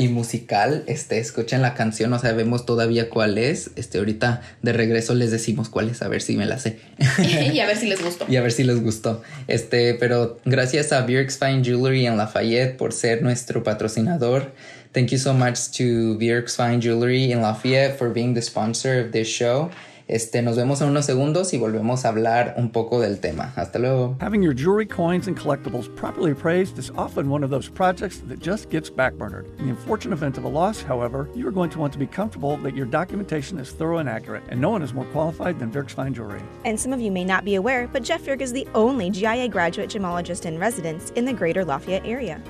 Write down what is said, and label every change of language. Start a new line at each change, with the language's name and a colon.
Spanish: Y musical, escuchen la canción, no sabemos todavía cuál es, ahorita de regreso les decimos cuál es, a ver si me la sé. Y a ver si les gustó. Pero gracias a Bjork's Fine Jewelry en Lafayette por ser nuestro patrocinador.
English: Thank you so much to Bjork's Fine Jewelry in Lafayette for being the sponsor of this show.
Spanish: Nos vemos en unos segundos y volvemos a hablar un poco del tema. Hasta luego.
English: Having your jewelry, coins, and collectibles properly appraised is often one of those projects that just gets backburnered. In the unfortunate event of a loss, however, you are going to want to be comfortable that your documentation is thorough and accurate, and no one is more qualified than Virk's Fine Jewelry. And some of you may not be aware, but Jeff Virk is the only GIA graduate gemologist in residence in the greater Lafayette area.